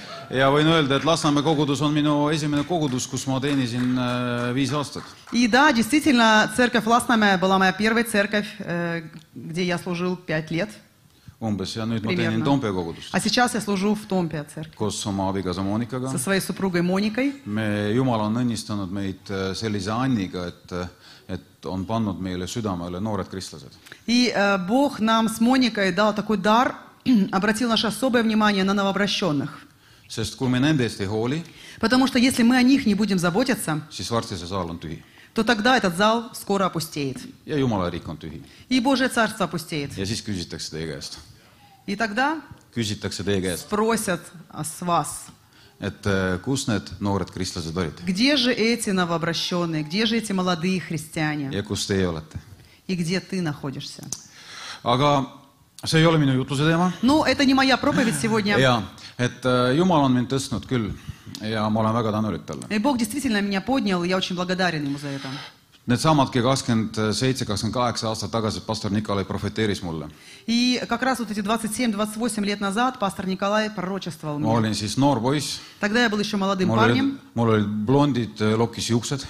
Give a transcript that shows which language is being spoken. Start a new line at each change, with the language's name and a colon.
Estonian: Ja võin öelda, et Lasnamäe kogudus on minu esimene kogudus, kus ma teenisin 5 aastat.
Russian: И да, действительно, церковь Lasnamäe была моя первая церковь, где я служил 5 лет.
Estonian: Umbes, ja nüüd
Russian: Primerna.
Estonian: Ma teenin Tompea kogudust.
Russian: А сейчас я служу в Томпе церкви.
Estonian: Koos oma abikaasa Monikaga.
Russian: Со своей супругой Моникой.
Estonian: Me Jumal on õnnistanud meid sellise Anniga, et on pannud meile südamele noored kristlased.
Russian: И Бог нам с Моникой дал такой дар, обратил наше особое внимание на новообращенных.
Estonian: Sest kui me nende eest ei hooli,
Russian: потому что если мы о них не будем заботиться,
Estonian: siis varsti see saal on tühi.
Russian: То тогда этот зал скоро опустеет.
Estonian: Ja Jumala riik on tühi.
Russian: И Божие царство опустеет.
Estonian: Ja siis küsitakse teie käest.
Russian: И тогда
Estonian: küsitakse teie käest.
Russian: Спросят с вас.
Estonian: Et kus need noored kristlased olid?
Russian: Где же эти новообращенные? Где же эти молодые христиане?
Estonian: Ja kus teie olete?
Russian: И где ты находишься?
Estonian: Aga see ei ole minu jutluse teema.
Russian: Ну, это не моя проповедь сегодня.
Estonian: Ja, et Jumal on mind tõstnud küll. Ja ma olen väga tänulik talle.
Russian: И Бог действительно меня поднял, я очень благодарен ему за это.
Estonian: Need samadki 27-28 aastat tagasi pastor Nikolai profeteeris mulle.
Russian: И как раз вот эти 27-28 лет назад пастор Николай пророчествовал мне.
Estonian: Ma olin siis noor pois.
Russian: Тогда я был еще молодым парнем.
Estonian: Mul olid blondid lokkis juksed.